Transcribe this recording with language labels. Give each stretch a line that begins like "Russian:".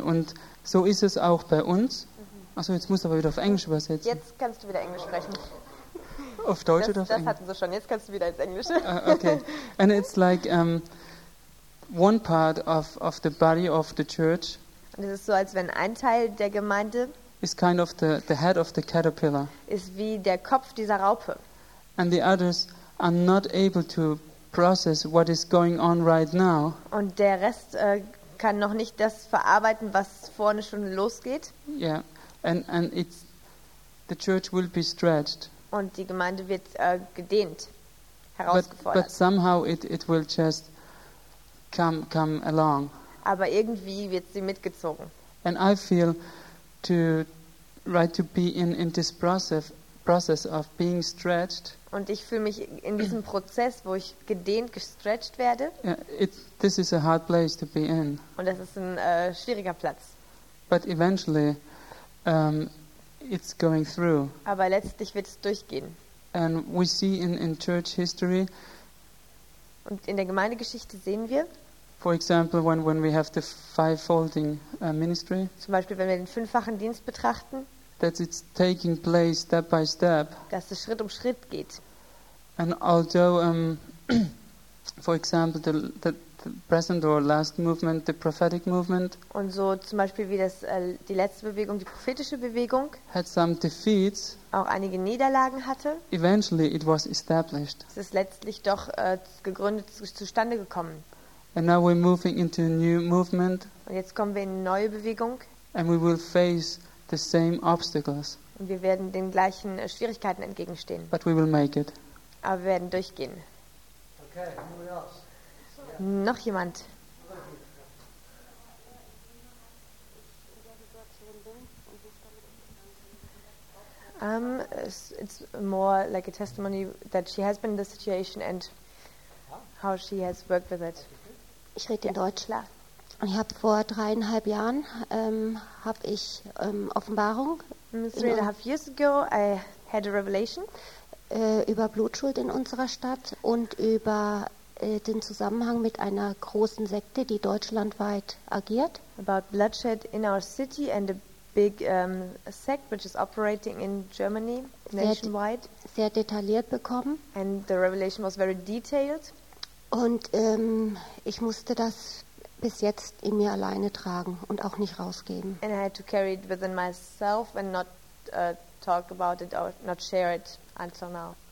German: Und so ist es auch bei uns. Achso, jetzt musst du aber wieder auf Englisch übersetzen. Jetzt kannst du wieder Englisch sprechen. auf Deutsch oder auf Englisch? Das hatten sie schon, jetzt kannst du wieder ins Englische.
English: Okay, and it's like one part of the body of the church.
German: Und es ist so, als wenn ein Teil der Gemeinde
English: is kind of the head of the caterpillar.
German: Ist wie der Kopf dieser Raupe.
English: And the others are not able to process what is going on right now.
German: Und der Rest kann noch nicht das verarbeiten, was vorne schon losgeht.
English: Yeah, and it's the church will be stretched.
German: Und die Gemeinde wird gedehnt, herausgefordert.
English: But somehow it will just come along.
German: Aber irgendwie wird sie mitgezogen.
English: And I feel to be in this process of being stretched.
German: Und ich fühle mich in diesem Prozess, wo ich gedehnt, gestretched werde.
English: Yeah, this is a hard place to be in.
German: Und das ist ein schwieriger Platz.
English: But eventually it's going through.
German: Aber letztlich wird es durchgehen.
English: And we see in church history.
German: Und in der Gemeindegeschichte sehen wir.
English: For example, when we have the fivefolding ministry.
German: Zum Beispiel, wenn wir den fünffachen Dienst betrachten.
English: That it's taking place step by step.
German: Dass es Schritt um Schritt geht.
English: And although, for example, the present or last movement, the prophetic movement.
German: Und so zum Beispiel wie das die letzte Bewegung, die prophetische Bewegung.
English: Had some defeats.
German: Auch einige Niederlagen hatte.
English: Eventually, it was established.
German: Es ist letztlich doch gegründet, zustande gekommen.
English: And now we're moving into a new movement.
German: Und jetzt kommen wir in eine neue Bewegung.
English: And we will face the same obstacles.
German: Und wir werden den gleichen Schwierigkeiten entgegenstehen.
English: But we will make it.
German: Aber wir werden durchgehen.
English: Okay, anybody else?
German: Yeah. Noch jemand?
English: It's more like a testimony that she has been in this situation and how she has worked with it.
German: Ich rede in Deutsch. Und ich habe vor 3,5 Jahren habe ich Offenbarung.
English: 3,5 years ago, I had a revelation
German: über Blutschuld in unserer Stadt und über den Zusammenhang mit einer großen Sekte, die deutschlandweit agiert.
English: About bloodshed in our city and a big sect which is operating in Germany nationwide.
German: Sehr detailliert bekommen.
English: And the revelation was very detailed.
German: Und ich musste das bis jetzt in mir alleine tragen und auch nicht rausgeben.
English: And I had to carry it within myself and not talk about it or not share it until now.